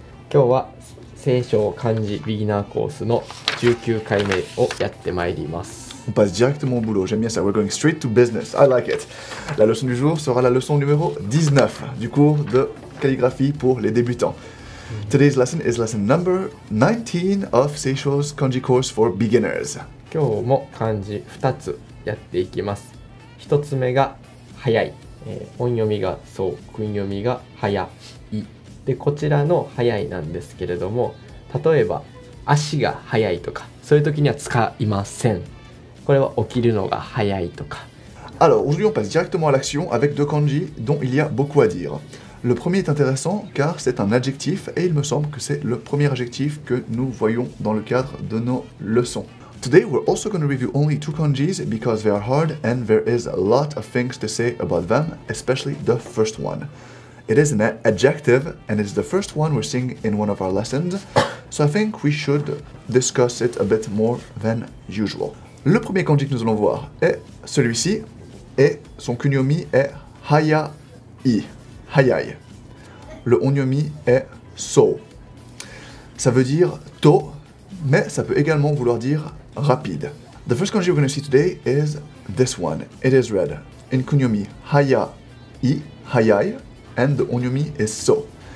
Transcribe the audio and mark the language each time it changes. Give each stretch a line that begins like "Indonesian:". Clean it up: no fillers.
Japanese: 今日は聖書漢字ビギナーコースの19回目をやってまいります。
French: On passe directement au boulot, j'aime bien ça,
English: we're going straight to business, I like it.
French: La leçon du jour sera la leçon numéro 19 du cours de calligraphie pour les débutants.
English: Today's lesson is lesson number 19 of Seychaux's kanji course for beginners.
Japanese: 今日も漢字2つやっていきます。1つ目が早い、音読みがそう、訓読みが早いで、こちらの早いなんですけれども、例えば足が早いとかそういう時には使いません。これは起きるのが早いとか。
French: Alors aujourd'hui on passe directement à l'action avec deux kanji dont il y a beaucoup à dire. Le premier est intéressant car c'est un adjectif et il me semble que c'est le premier adjectif que nous voyons dans le cadre de nos leçons.
English: Today we're also going to review only two kanjis because they are hard and there is a lot of things to say about them, especially the first one. It is an adjective and it's the first one we're seeing in one of our lessons. So I think we should discuss it a bit more than usual.
French: Le premier kanji que nous allons voir est celui-ci et son kunyomi est hayai, hayai. Le onyomi est so. Ça veut dire tôt, mais ça peut également vouloir dire rapide.
English: The first kanji we're going to see today is this one. It is read in kunyomi hayai, hayai, and the onyomi is so.